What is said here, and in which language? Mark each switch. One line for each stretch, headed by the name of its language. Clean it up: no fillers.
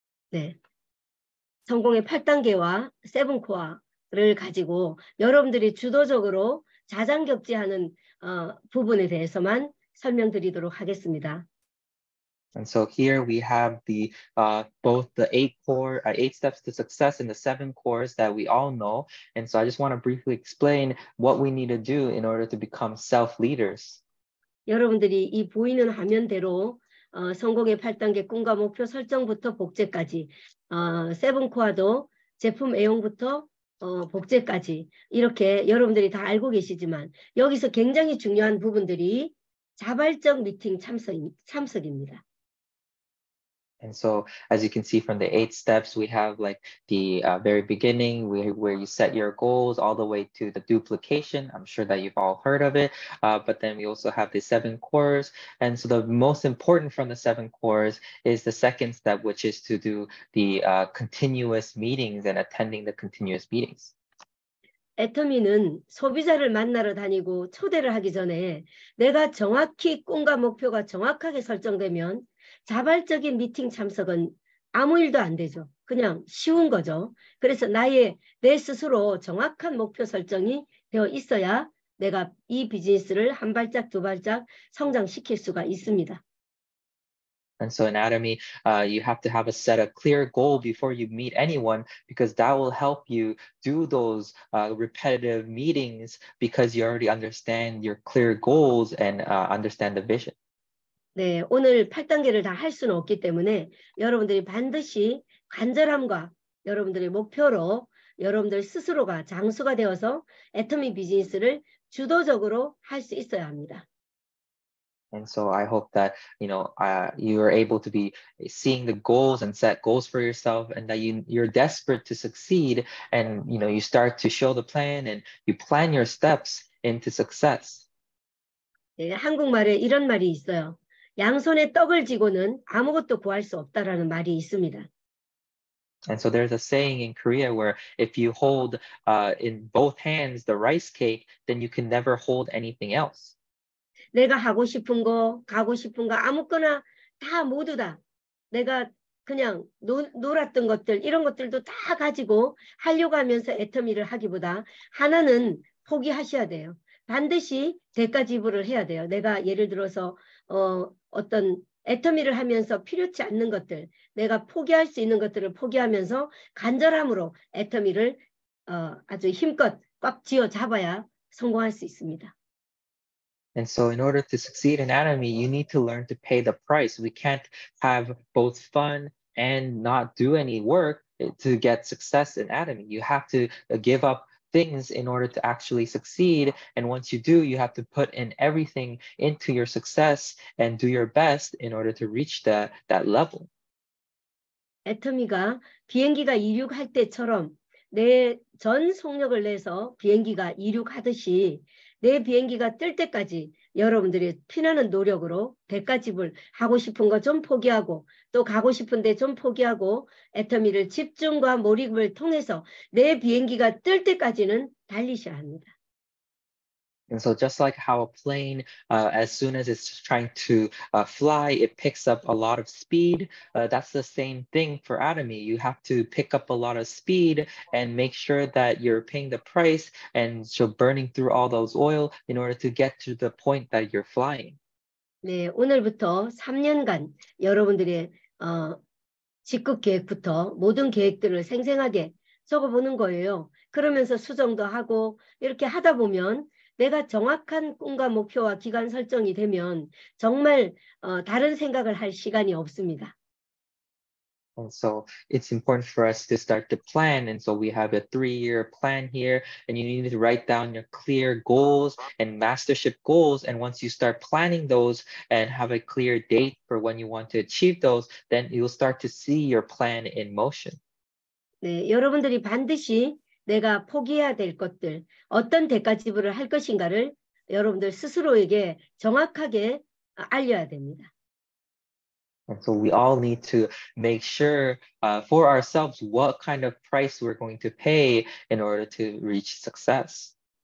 Korean: 네, 성공의 8단계와 7코어를 가지고 여러분들이 주도적으로 자장격지하는 부분에 대해서만 설명드리도록 하겠습니다.
English: And so here we have the both the eight steps to success and the 7 cores that we all know. And so I just want to briefly explain what we need to do in order to become self-leaders.
Korean: 여러분들이 이 보이는 화면대로 성공의 8단계 꿈과 목표 설정부터 복제까지 7코어도 제품 애용부터 복제까지 이렇게 여러분들이 다 알고 계시지만 여기서 굉장히 중요한 부분들이 자발적 미팅 참석입니다.
English: And so, as you can see from the 8 steps, we have like the very beginning where you set your goals all the way to the duplication. I'm sure that you've all heard of it. But then we also have the 7 cores. And so the most important from the 7 cores is the second step, which is to do the continuous meetings and attending the continuous meetings.
Korean: Atomy는 소비자를 만나러 다니고 초대를 하기 전에 내가 정확히 꿈과 목표가 정확하게 설정되면 자발적인 미팅 참석은 아무 일도 안 되죠. 그냥 쉬운 거죠. 그래서 내 스스로 정확한 목표 설정이 되어 있어야 내가 이 비즈니스를 한 발짝 두 발짝 성장시킬 수가 있습니다.
English: And so in Atomy, you have to have a set a clear goal before you meet anyone because that will help you do those repetitive meetings because you already understand your clear goals and understand the vision.
Korean: 네, 오늘 8단계를 다 할 수는 없기 때문에 여러분들이 반드시 간절함과 여러분들의 목표로 여러분들 스스로가 장수가 되어서 애터미 비즈니스를 주도적으로 할 수 있어야 합니다.
English: And so I hope that, you know, you are able to be seeing the goals and set goals for yourself and that you're desperate to succeed and, you know, you start to show the plan and you plan your steps into success.
Korean: 네, 한국말에 이런 말이 있어요. 양손에 떡을 쥐고는 아무것도 구할 수 없다라는 말이 있습니다.
English: And so there's a saying in Korea where if you hold in both hands the rice cake, then you can never hold anything else.
Korean: 내가 하고 싶은 거, 가고 싶은 거 아무거나 다 모두 다 내가 그냥 놀았던 것들 이런 것들도 다 가지고 하려고 하면서 애터미를 하기보다 하나는 포기하셔야 돼요. 반드시 대가 지불을 해야 돼요. 내가 예를 들어서 어떤 애터미를 하면서 필요치 않는 것들, 내가 포기할 수 있는 것들을 포기하면서 간절함으로 애터미를 아주 힘껏 꽉 쥐어잡아야 성공할 수 있습니다.
English: And so in order to succeed in Atomy, you need to learn to pay the price. We can't have both fun and not do any work to get success in Atomy. You have to give up things in order to actually succeed. And once you do, you have to put in everything into your success and do your best in order to reach that level.
Korean: Atomy가 비행기가 이륙할 때처럼 내 전 속력을 내서 비행기가 이륙하듯이 내 비행기가 뜰 때까지 여러분들의 피나는 노력으로 대가집을 하고 싶은 거 좀 포기하고 또 가고 싶은데 좀 포기하고 애터미를 집중과 몰입을 통해서 내 비행기가 뜰 때까지는 달리셔야 합니다.
English: And so just like how a plane, as soon as it's trying to fly, it picks up a lot of speed. That's the same thing for Atomy. You have to pick up a lot of speed and make sure that you're paying the price and so burning through all those oil in order to get to the point that you're flying.
Korean: 네, 오늘부터 3년간 여러분들의 직급 계획부터 모든 계획들을 생생하게 적어보는 거예요. 그러면서 수정도 하고 이렇게 하다 보면 내가 정확한 꿈과 목표와 기간 설정이 되면 정말 다른 생각을 할 시간이 없습니다.
English: And so it's important for us to start to plan. And so we have a 3-year plan here. And you need to write down your clear goals and mastership goals. And once you start planning those and have a clear date for when you want to achieve those, then you'll start to see your plan in motion.
Korean: 네, 여러분들이 반드시 내가 포기해야 될 것들, 어떤 대가 지불을 할 것인가를 여러분들 스스로에게 정확하게 알려야 됩니다.
English: And so we all need to make sure for ourselves what kind of price we're going to pay in order to reach success.